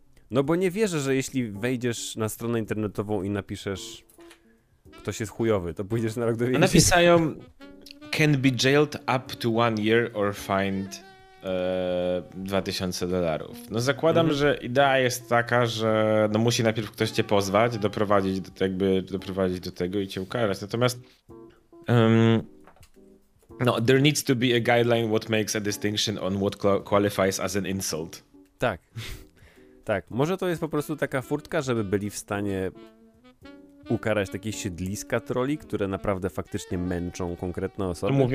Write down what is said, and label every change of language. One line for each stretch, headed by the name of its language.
Polish: No bo nie wierzę, że jeśli wejdziesz na stronę internetową i napiszesz ktoś jest chujowy, to pójdziesz na rok do więzienia. Napisają
English: can be jailed up to 1 year or fined $2000.
Polish: No zakładam, że idea jest taka, że no musi najpierw ktoś cię pozwać, doprowadzić do tego i cię ukarać. Natomiast no
English: there needs to be a guideline what makes a distinction on what qualifies as an insult.
Polish: Tak. Tak, może to jest po prostu taka furtka, żeby byli w stanie ukarać takie siedliska troli, które naprawdę faktycznie męczą konkretne osoby.